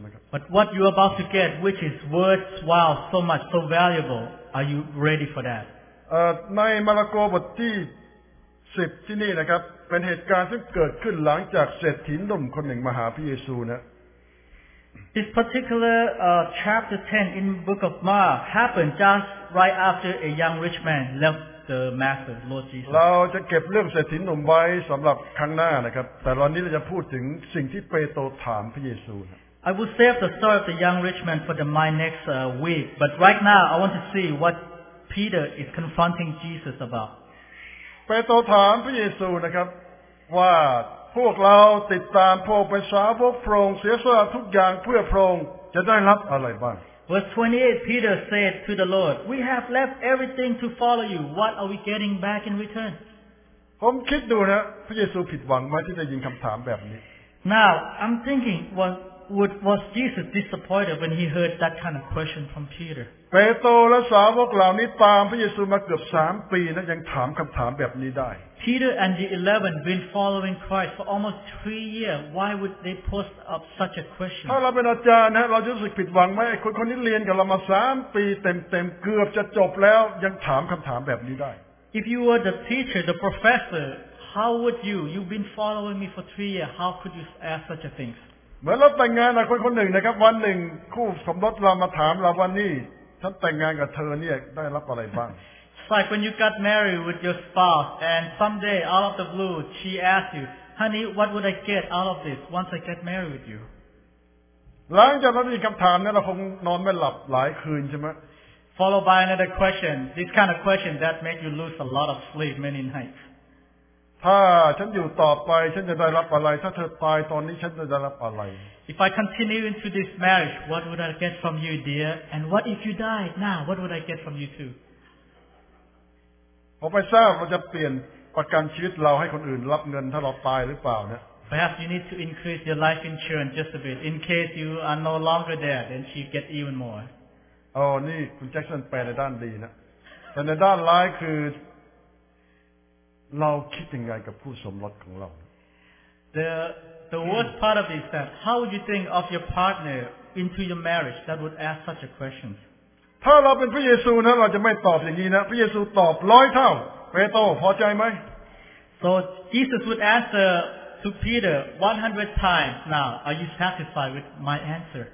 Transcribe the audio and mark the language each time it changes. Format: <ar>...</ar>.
<en>But what you're about to get, which is worthwhile so much, so valuable, are you ready for that?</en> <th>ในมาระโกบทที่10ที่นี่นะครับเป็นเหตุการณ์ซึ่งเกิดขึ้นหลังจากเศรษฐีหนุ่มคนหนึ่งมาหาพระเยซูนะ</th> <en>This particular chapter 10 in the book of Mark happened just right after a young rich man left the master, Lord Jesus.</en> <th>เราจะเก็บเรื่องเศรษฐีหนุ่มไว้สำหรับครั้งหน้านะครับแต่ตอนนี้เราจะพูดถึงสิ่งที่เปโตรถามพระเยซู</th> <en>I will save the story of the young rich man for the my next week, but right now I want to see what Peter is confronting Jesus about.</en> <th>เปโตรถามพระเยซูนะครับว่าพวกเราติดตามพระองค์เป็นสาวกพระองค์เสียสละทุกอย่างเพื่อพระองค์จะได้รับอะไรบ้าง</th> <en>Verse 28 Peter said to the Lord We have left everything to follow you What are we getting back in return</en> <th>ผมคิดดูนะพระเยซูผิดหวังมั้ยที่ได้ยินคําถามแบบนี้</th> <en>Now I'm thinking was Jesus disappointed when he heard that kind of question from Peter</en> <th>เปโตรและสาวกเหล่านี้ตามพระเยซูมาเกือบ3ปีนะยังถามคําถามแบบนี้ได้</th> <en>Peter and the 11 been following Christ for almost 3 years. Why would they post up such a question?</en> <th>ถ้าเราเป็นอาจารย์นะเราจะรู้สึกผิดหวังไหมคนนี้เรียนกับเรามา3ปีเต็มๆเกือบจะจบแล้วยังถามคำถามแบบนี้ได้</th> <en>If you were the teacher, the professor, how would you? You've been following me for 3 years. How could you ask such a thing?</en> <th>เหมือนเราแต่งงานนะคนหนึ่งนะครับวันหนึ่งคู่สมรสเรามาถามเราว่านี่ฉันแต่งงานกับเธอเนี่ยได้รับอะไรบ้าง</th> <en>Like when you got married with your spouse, and someday out of the blue, she asks you, "Honey, what would I get out of this once I get married with you?"</en> <th>หลังจากนั้นมีคำถามนี้เราคงนอนไม่หลับหลายคืนใช่ไหม</th> <en>Followed by another question, this kind of question that made you lose a lot of sleep many nights.</en> <th>ถ้าฉันอยู่ต่อไปฉันจะได้รับอะไรถ้าเธอตายตอนนี้ฉันจะได้รับอะไร</th> <en>If I continue into this marriage, what would I get from you, dear? And what if you die now? What would I get from you too?</en> <th>ผมไม่ทราบเราจะเปลี่ยนประกันชีวิตเราให้คนอื่นรับเงินถ้าเราตายหรือเปล่าเนี่ย</th> <en>Perhaps you need to increase your life insurance just a bit in case you are no longer there then she get even more</en> <th>อ๋อนี่คุณแจ็คสันแปลในด้านดีนะแต่ในด้านร้ายคือเราคิดยังไงกับผู้สมรสของเรา</th> <en>The worst part of this that how would you think of your partner into your marriage that would ask such a question</en> <th>ถ้าเราเป็นพระเยซูนะเราจะไม่ตอบอย่างนี้นะพระเยซูตอบร้อยเท่าเปโตรพอใจไหม</th> <en>So Jesus would answer to Peter 100 times now Are you satisfied with my answer?</en>